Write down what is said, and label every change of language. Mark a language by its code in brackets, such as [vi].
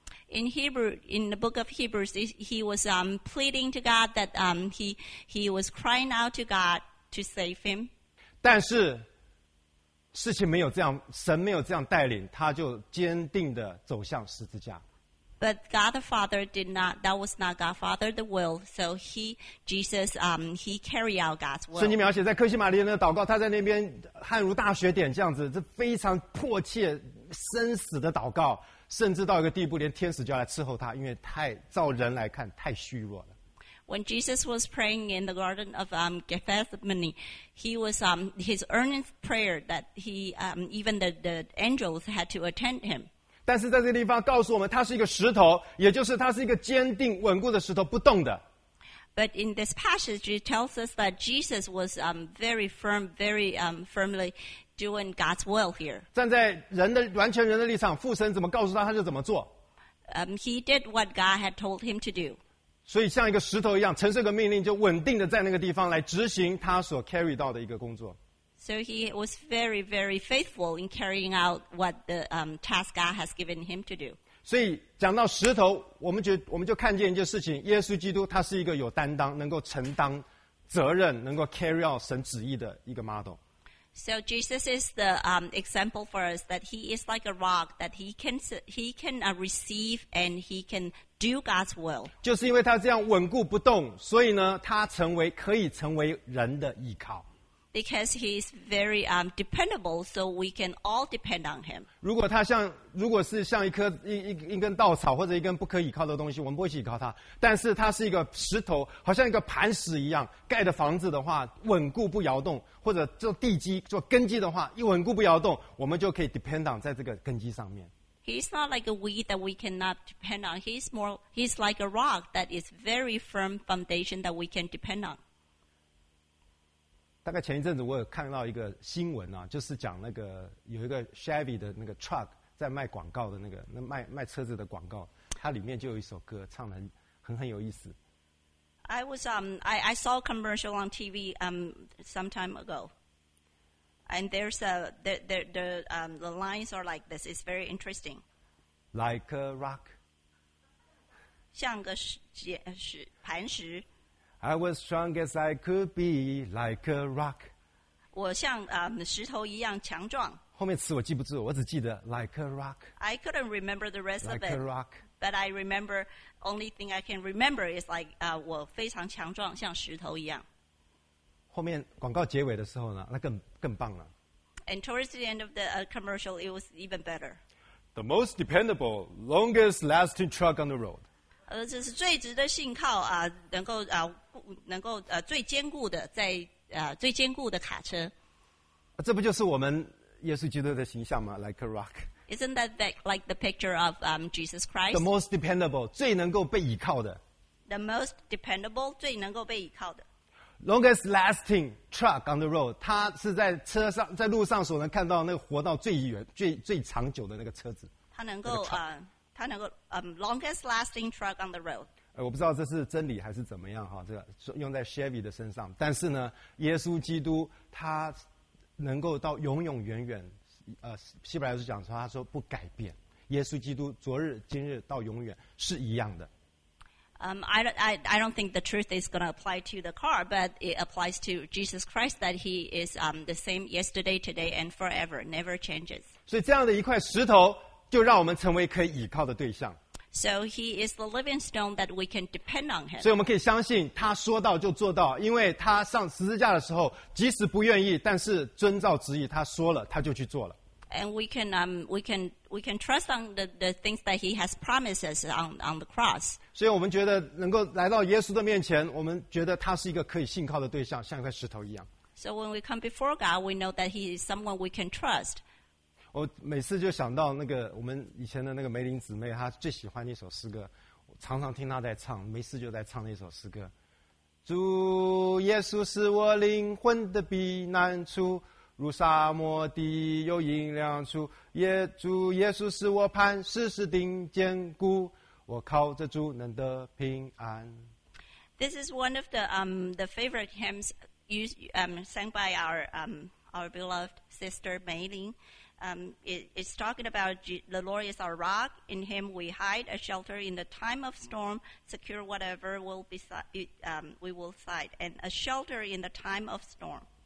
[en] In Hebrew, in the book of Hebrews, he was pleading to God that he was crying out to God to save him. [zh] 但是事情没有这样，神没有这样带领，他就坚定地走向十字架。 [en] But God the Father did not. That was not God Father the will. So he, Jesus, he carried out God's will. [zh] 圣经描写在克西马利的祷告，他在那边汗如大雪点这样子，这非常迫切、生死的祷告。甚至到一个地步，连天使就要来伺候他，因为太照人来看太虚弱了。 [en] When Jesus was praying in the Garden of Gethsemane, he was his earnest prayer that he even the angels had to attend him. [zh] 但是在这个地方告诉我们，他是一个石头，也就是他是一个坚定稳固的石头，不动的。 [en] But in this passage, it tells us that Jesus was very firm, very firmly doing God's will here. [zh] 站在人的完全人的立场，父神怎么告诉他，他就怎么做。 [en] He did what God had told him to do. [zh] 所以像一个石头一样，承受个命令，就稳定的在那个地方来执行他所 carry 到的一个工作。 [en] So he was very, very faithful in carrying out what the task God has given him to do. [zh] 所以讲到石头，我们就看见一件事情：耶稣基督他是一个有担当、能够承担责任、能够 [en] carry out [zh] 神旨意的一个 model。 [en] So Jesus is the example for us that he is like a rock that he can receive and he can do God's will. [zh] 就是因为他这样稳固不动，所以呢，他成为可以成为人的依靠。 [en] Because he is very dependable, so we can all depend on him. [zh] 如果他像如果是像一棵一根稻草或者一根不可以靠的东西，我们不会去依靠他。但是他是一个石头，好像一个磐石一样，盖的房子的话稳固不摇动，或者做地基做根基的话一稳固不摇动，我们就可以 [en] depend on [zh] 在这个根基上面。 [en] He's not like a weed that we cannot depend on. He's like a rock that is very firm foundation that we can depend on. [zh] 大概前一阵子我有看到一个新闻啊，就是讲那个有一个 Chevy 的那个 truck 在卖广告的那个那卖车子的广告，它里面就有一首歌唱得很有意思。 [en] I was I saw a commercial on TV some time ago, and there's a the lines are like this. It's very interesting. Like a rock. [zh] 像个石磐石。 [en] I was strong as I could be, like a rock. [zh] 我像石头一样强壮。后面词我记不住，我只记得 [en] like a rock. I couldn't remember the rest of it. Like a rock. But I remember, only thing I can remember is like [zh] 我非常强壮，像石头一样。后面广告结尾的时候呢，那更棒了。 [en] And towards the end of the commercial, it was even better. The most dependable, longest lasting truck on the road. [zh] 这是最值得信靠啊，能够最坚固的在最坚固的卡车。这不就是我们耶稣基督的形象吗 ？ [en] Like a rock. Isn't that like the picture of Jesus Christ? The most dependable, [zh] 最能够被依靠的。 [en] The most dependable, [zh] 最能够被依靠的。 [en] Longest lasting truck on the road, [zh] 它是在车上在路上所能看到那个活到最远最长久的那个车子。它能够它能够 [en] longest lasting truck on the road。 [zh] 我不知道这是真理还是怎么样哈，这个用在 Chevy 的身上。但是呢，耶稣基督他能够到永永远远，希伯来书讲说，他说不改变，耶稣基督昨日、今日到永远是一样的。 [en] I don't think the truth is going to apply to the car, but it applies to Jesus Christ that He is the same yesterday, today, and forever, never changes. [zh] 所以这样的一块石头，就让我们成为可以倚靠的对象。 [en] So He is the living stone that we can depend on Him. [zh] 所以我们可以相信他说到就做到，因为他上十字架的时候，即使不愿意，但是遵照旨意，他说了，他就去做了。 [en] And we can trust on the things that he has promised us on the cross. [zh] 所以我们觉得能够来到耶稣的面前，我们觉得他是一个可以信靠的对象，像一块石头一样。 [en] So when we come before God, we know that he is someone we can trust. [zh] 我每次就想到那个我们以前的那个梅林姊妹，她最喜欢那首诗歌，我常常听她在唱，没事就在唱那首诗歌。主耶稣是我灵魂的避难处。如沙漠地有阴凉处，耶主耶稣是我磐石，是顶坚固，我靠着主能得平安。 [en] This is one of the favorite hymns sung by our beloved sister Mei Ling. It's talking about the Lord is our rock, in Him we hide a shelter in the time of storm, secure whatever will be we will find, and a shelter in the time of storm.